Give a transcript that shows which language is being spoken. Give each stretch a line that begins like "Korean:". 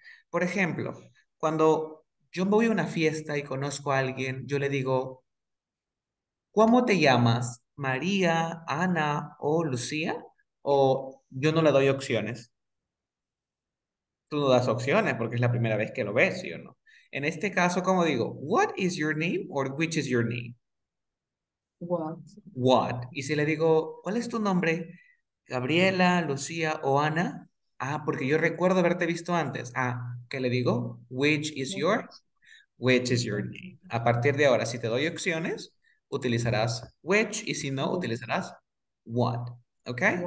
Spanish: Por ejemplo, cuando yo voy a una fiesta y conozco a alguien, yo le digo, ¿cómo te llamas? María, Ana o Lucía, o yo no le doy opciones. Tú no das opciones porque es la primera vez que lo ves, ¿sí o no? En este caso, ¿cómo digo?
English: What is your name or which is your name? What? What.
Spanish: Y si le digo, ¿cuál es tu nombre? Gabriela, Lucía o Ana. Ah, porque yo recuerdo haberte visto antes. Ah, ¿qué le digo?
English: Which is your? Which is your name.
Spanish: A partir de ahora, si te doy opciones, utilizarás which y si no, utilizarás what. ¿Ok?